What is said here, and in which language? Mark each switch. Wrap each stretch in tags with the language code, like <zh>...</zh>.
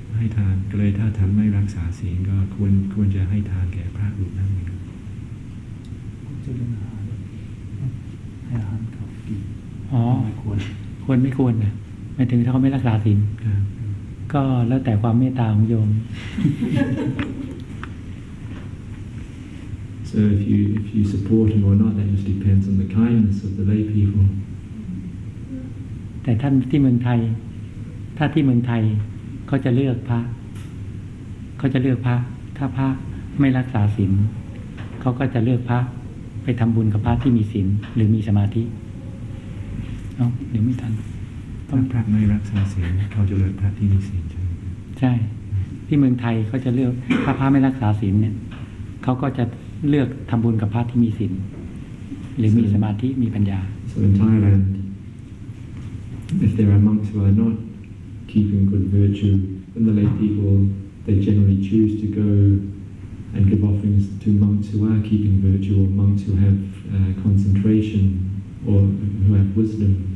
<th>ให้ทานก็เลยถ้าท่านไม่รักษาศีลก็ควรจะให้ทานแก่พระรูปนั้นเอง จะเรื่องอาหารให้อาหารเขากินอ๋อ ไม่ควร ควรไม่ควรนะหมายถึงถ้าเขาไม่รักษาศีลก็แล้วแต่ความเมตตาของโยม</th> <en>so if you support him or not that just depends on the kindness of the lay people</en> <th>แต่ท่านที่เมืองไทยถ้าที่เมืองไทยเขาจะเลือกพระเขาจะเลือกพระถ้าพระไม่รักษาศีลเขาก็จะเลือกพระไปทำบุญกับพระที่มีศีลหรือมีสมาธิเอ้าเดี๋ยวไม่ทัน ถ้าพระไม่รักษาศีลเขาจะเลือกพระที่มีศีลใช่ใช่ที่เมืองไทยเขาจะเลือกถ้าพระไม่รักษาศีลเนี่ยเขาก็จะเลือกทำบุญกับพระที่มีศีลหรือมีสมาธิมีปัญญา</th> <en>So in Thailand if there are monks who are notKeeping good virtue, then the lay people they generally choose to go and give offerings to monks who are keeping virtue or monks who have concentration or who have wisdom.</en>